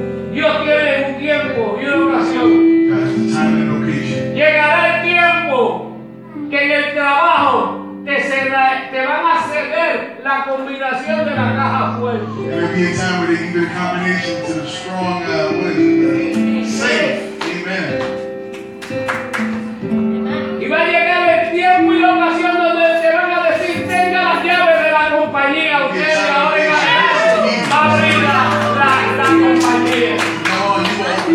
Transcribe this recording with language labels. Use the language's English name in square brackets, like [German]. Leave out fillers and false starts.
[Spanish] Dios tiene un tiempo y una ocasión. Llegará el tiempo que en el trabajo te van a ceder la combinación de la caja fuerte. [English] There will be a time where they give you a combination to the strong safe. Amen. [Spanish] Y va a llegar el tiempo y la ocasión donde te van a decir: tenga las llaves de la compañía, ustedes ahora en adelante abrirá la compañía.